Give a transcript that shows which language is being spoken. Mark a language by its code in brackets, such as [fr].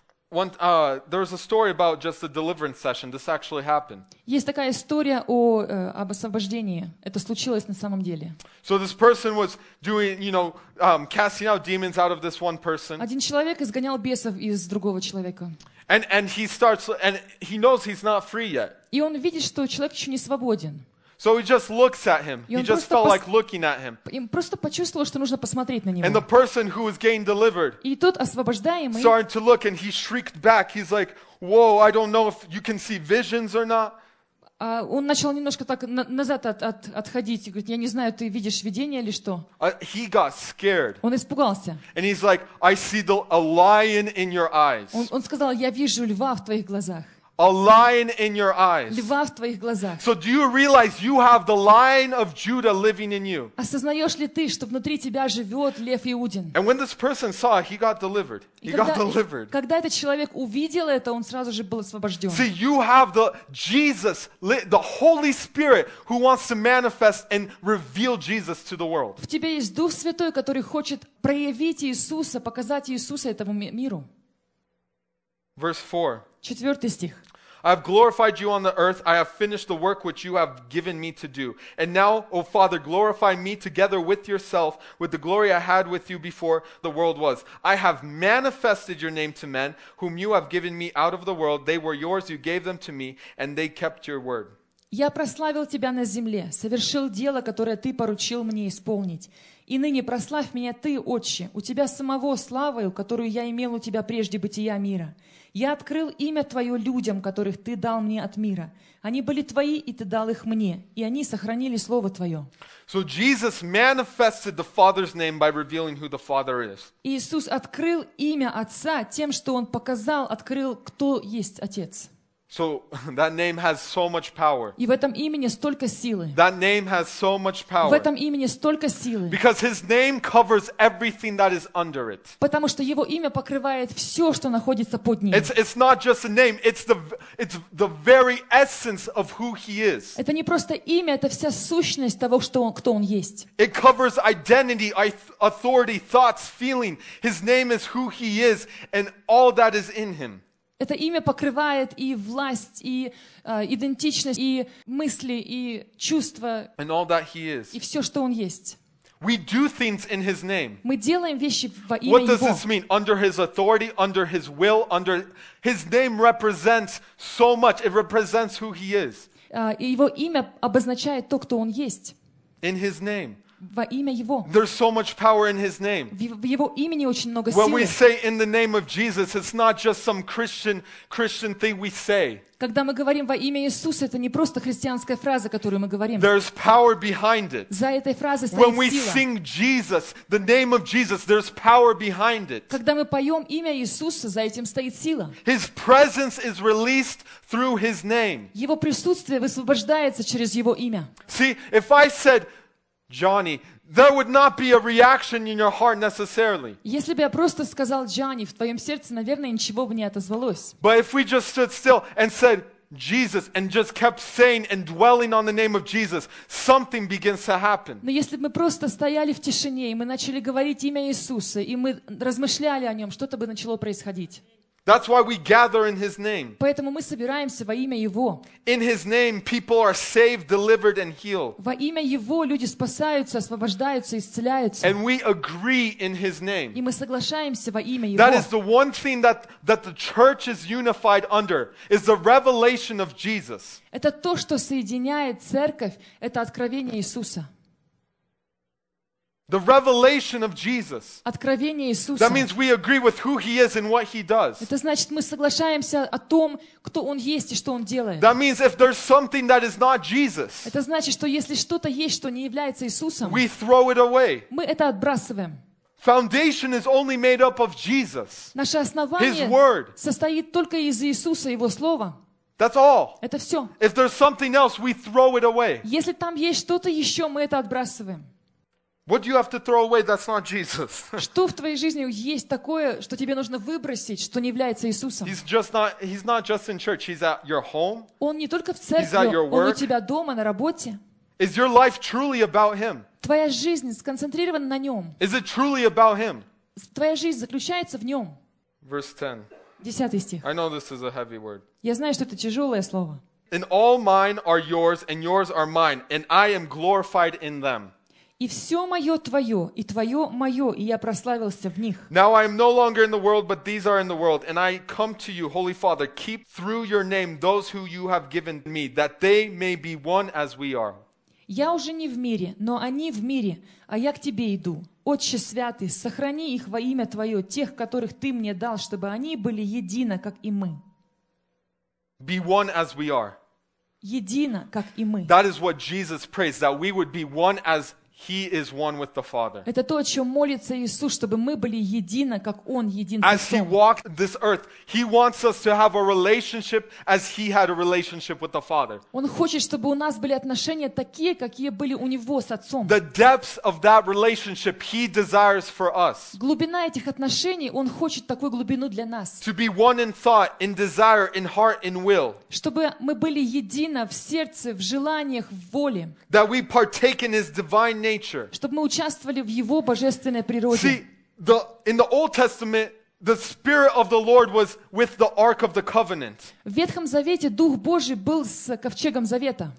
[en] There was a story about just a deliverance session. This actually happened. [ru] Есть такая история об освобождении. Это случилось на самом деле. [en] So this person was doing, you know, casting out demons out of this one person. [ru] Один человек изгонял бесов из другого человека. [en] And he knows he's not free yet. [ru] И он видит, что человек еще не свободен. [en] So he just looks at him. He just felt like looking at him. [ru] Им просто почувствовал, что нужно посмотреть на него. [en] And the person who was getting delivered. [ru] И тот освобождаемый. [en] Started to look, and he shrieked back. He's like, "Whoa! I don't know if you can see visions or not." [ru] Он начал немножко так назад отходить и говорит, "Я не знаю, ты видишь видение или что?" [en] He got scared. [ru] Он испугался. [en] And he's like, "I see a lion in your eyes." [ru] Он сказал, "Я вижу льва в твоих глазах." [en] A lion in your eyes. [ru] Льва в твоих глазах. [en] So do you realize you have the lion of Judah living in you? [ru] Осознаешь ли ты, что внутри тебя живет лев Иудин? [en] And when this person saw it, he got delivered. He got delivered. [ru] Когда этот человек увидел это, он сразу же был освобожден. [en] See, you have the Jesus, the Holy Spirit, who wants to manifest and reveal Jesus to the world. [ru] В тебе есть Дух Святой, который хочет проявить Иисуса, показать Иисуса этому миру. [en] Verse 4. [ru] Четвертый стих. [en] I have glorified you on the earth. I have finished the work which you have given me to do. And now, O Father, glorify me together with yourself, with the glory I had with you before the world was. I have manifested your name to men, whom you have given me out of the world. They were yours, you gave them to me, and they kept your word. [ru] Я прославил тебя на земле, совершил дело, которое ты поручил мне исполнить. И ныне прославь меня ты, Отче, у тебя самого славою, которую я имел у тебя прежде бытия мира. Я открыл имя твое людям, которых ты дал мне от мира. Они были твои, и ты дал их мне, и они сохранили слово твое. [en] So Jesus manifested the Father's name by revealing who the Father is. [ru] Иисус открыл имя Отца тем, что он показал, открыл, кто есть Отец. [en] So that name has so much power. [ru] И в этом имени столько силы. [en] That name has so much power. [ru] В этом имени столько силы. [en] Because his name covers everything that is under it. [ru] Потому что его имя покрывает все, что находится под ним. [en] It's not just a name. It's the very essence of who he is. [ru] Это не просто имя, это вся сущность того, что он, кто он есть. [en] It covers identity, authority, thoughts, feeling. His name is who he is, and all that is in him. [ru] Это имя покрывает и власть, и идентичность, и мысли, и чувства, [en] and all that he is. [ru] И все, что он есть. [en] We do things in his name. [ru] Мы делаем вещи во имя [en] What [ru] его. [en] Does this mean? Under his authority, under his will, under his name represents so much. It represents who he is. [ru] Его имя обозначает то, кто он есть. [en] In his name. [ru] Во имя Его. [en] There's so much power in His name. [ru] В Его имени очень много силы. [en] When we say in the name of Jesus, it's not just some Christian thing we say. [ru] Когда мы говорим во имя Иисуса, это не просто христианская фраза, которую мы говорим. [en] There's power behind it. [ru] За этой фразой стоит сила. [en] When we sing Jesus, the name of Jesus, there's power behind it. [ru] Когда мы поем имя Иисуса, за этим стоит сила. [en] His presence is released through His name. [ru] Его присутствие высвобождается через Его имя. [en] See, if I said Johnny, there would not be a reaction in your heart necessarily. [ru] Если бы я просто сказал Джонни, в твоем сердце, наверное, ничего бы не отозвалось. [en] But if we just stood still and said Jesus and just kept saying and dwelling on the name of Jesus, something begins to happen. [ru] Но если бы мы просто стояли в тишине и мы начали говорить имя Иисуса и мы размышляли о нем, что-то бы начало происходить. [en] That's why we gather in His name. [ru] Поэтому мы собираемся во имя Его. [en] In His name, people are saved, delivered, and healed. [ru] Во имя Его люди спасаются, освобождаются, исцеляются. [en] And we agree in His name. [ru] И мы соглашаемся во имя Его. [en] That is the one thing that the church is unified under is the revelation of Jesus. [ru] Это то, что соединяет церковь, это откровение Иисуса. [en] The revelation of Jesus. [ru] Откровение Иисуса. [en] That means we agree with who He is and what He does. [ru] Это значит, мы соглашаемся о том, кто Он есть и что Он делает. [en] That means if there's something that is not Jesus. [ru] Это значит, что если что-то есть, что не является Иисусом. [en] We throw it away. [ru] Мы это отбрасываем. [en] Foundation is only made up of Jesus. [ru] Наше основание. [en] His word. [ru] Состоит только из Иисуса, Его слова. [en] That's all. [ru] Это все. [en] If there's something else, we throw it away. [ru] Если там есть что-то еще, мы это отбрасываем. [en] What do you have to throw away that's not Jesus? [ru] Что в твоей жизни есть такое, что тебе нужно выбросить, что не является Иисусом? [en] He's not just in church, he's at your home. [ru] Он не только в церкви, [en] he's at your work. [ru] Он у тебя дома, на работе. [en] Is your life truly about him? [ru] Твоя жизнь сконцентрирована на нем. [en] Is it truly about him? [ru] Твоя жизнь заключается в нем. [en] Verse 10. [ru] 10 стих. [en] I know this is a heavy word. [ru] Я знаю, что это тяжелое слово. [en] And all mine are yours, and yours are mine, and I am glorified in them. [ru] И все мое твое, и твое мое, и я прославился в них. [en] Now I am no longer in the world, but these are in the world, and I come to you, Holy Father, keep through your name those who you have given me, that they may be one as we are. [ru] Я уже не в мире, но они в мире, а я к тебе иду. Отче Святый, сохрани их во имя твое, тех, которых ты мне дал, чтобы они были едино, как и мы. [en] Be one as we are. [ru] Едино, как и мы. [en] That is what Jesus prays, that we would be one as He is one with the Father. [ru] Это то, о чем молится Иисус, чтобы мы были едины, как Он един с Отцом. [en] As He walked this earth, He wants us to have a relationship as He had a relationship with the Father. [ru] Он хочет, чтобы у нас были отношения такие, какие были у Него с Отцом. [en] The depths of that relationship He desires for us. [ru] Глубина этих отношений, Он хочет такую глубину для нас. [en] To be one in thought, in desire, in heart, in will. [ru] Чтобы мы были едины в сердце, в желаниях, в воле. [en] That we partake in His divine nature. [ru] Чтобы мы участвовали в его божественной природе. [en] See, in the Old Testament, the Spirit of the Lord was with the Ark of the Covenant. [ru] В Ветхом Завете Дух Божий был с ковчегом Завета.